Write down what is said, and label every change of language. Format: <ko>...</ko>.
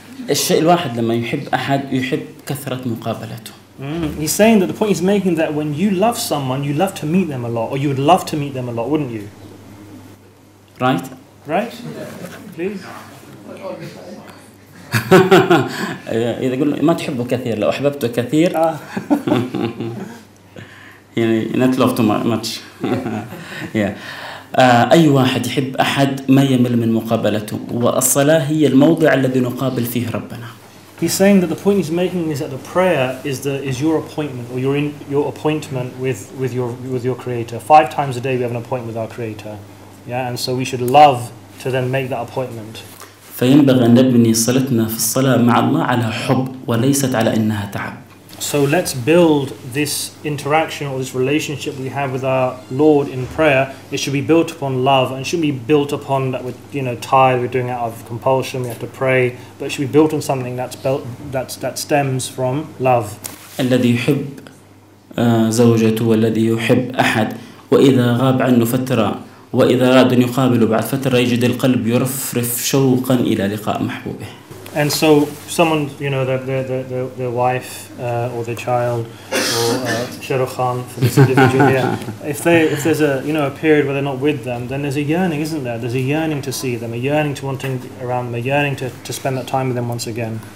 <ar>الشيء الواحد لما يحب أحد يحب كثرة مقابلته.</ar> <en>He's saying that the point he's making that when you love someone, you love to meet them a lot, or you would love to meet them a lot, wouldn't you? Right. Right. Please.</en> <ar>إذا قلنا ما تحبه كثير، لو أحببته كثير.</ar> <en>يعني not love too much. Yeah.</en> <ar>أي واحد يحب أحد ما يمل من مقابلته، والصلاة هي الموضع الذي نقابل فيه ربنا.</ar> <en>He's saying that the point he's making is that the prayer is your appointment or your appointment with your Creator. Five times a day we have an appointment with our Creator, yeah, and so we should love to then make that appointment.</en> <ar>فينبغي أن نبني صلتنا في الصلاة مع الله على حب وليست على إنها تعب.</ar> <en>So let's build this interaction or this relationship we have with our Lord in prayer. It should be built upon love and shouldn't be built upon that we're, you know, tired, we're doing it out of compulsion, we have to pray. But it should be built on something that stems from love.</en> <ar>الذي يحب زوجته والذي يحب أحد وإذا غاب عنه فترة وإذا أراد أن يقابله بعد فترة يجد القلب يرفرف شوقا إلى لقاء محبوبه.</ar> <en>And so someone, you know, their wife or their child or Shahrukh Khan for this individual here, if there's a, you know, a period where they're not with them, then there's a yearning, isn't there? There's a yearning to see them, a yearning to wanting around them, a yearning to spend that time with them once again.</en>